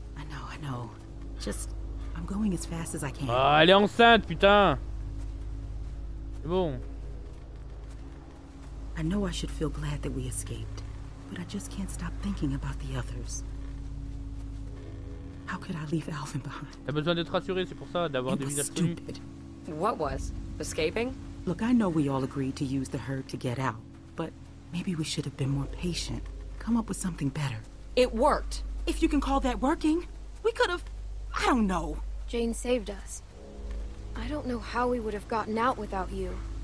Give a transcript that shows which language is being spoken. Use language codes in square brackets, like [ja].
[en] I know. Just, I'm going as fast as I can. [fr] Ah, elle est enceinte, putain! C'est bon. [en] I know I should feel glad that we escaped, but I just can't stop thinking about the others. How could I leave Alvin behind? [fr] T'as besoin d'être rassuré, c'est pour ça, d'avoir des visages connus. [en] What was? Escaping? Look, I know we all agreed to use the herd to get out, but maybe we should have been more patient. Come up with something better. It worked. If you can call that working, we could have... I don't know. Jane saved us. I don't know how we would have gotten out without you.